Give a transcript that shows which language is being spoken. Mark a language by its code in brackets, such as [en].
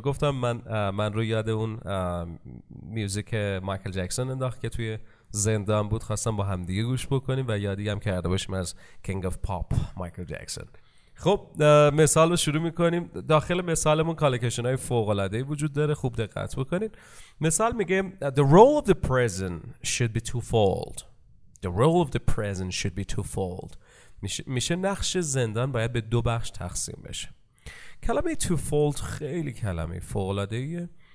[fa] گفتم من رو یاد اون میوزیک مایکل جکسون انداخت که توی زندان بود. خواستم با هم دیگه گوش بکنیم و یادی هم کرده باشیم از کینگ آف پاپ مایکل جکسون. خب مثال رو شروع میکنیم. داخل مثالمون کالکشن های فوق‌العاده‌ای وجود داره، خوب دقت بکنید. مثال میگه [en] The role of the prison should be twofold. The role of the prison should be twofold. [fa] میشه نقش زندان باید به دو بخش تقسیم بشه. کلمه تو فولد خیلی کلمه فوق‌العاده‌ایه.